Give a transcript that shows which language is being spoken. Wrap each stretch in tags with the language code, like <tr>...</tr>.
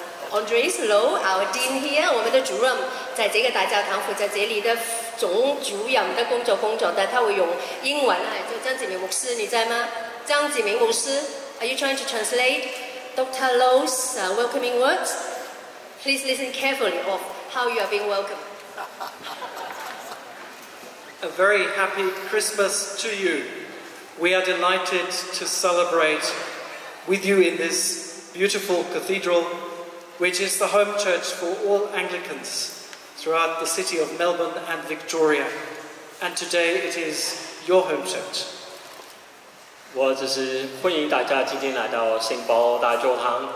<zh>Andres Low,</zh> <en>our dean here,</en> <zh>我们的主任，在这个大教堂负责这里的总主任的工作的，他会用英文来叫张子明牧师，你在吗？</zh> <en>张子明牧师 ，Are you trying to translate Dr. Low's welcoming words? Please listen carefully of how you are being welcomed. A very happy Christmas to you. We are delighted to celebrate with you in this beautiful cathedral, which is the home church for all Anglicans throughout the city of Melbourne and Victoria. And today it is your home church.</en> <zh>我只是欢迎大家今天来到圣保罗大教堂。</zh>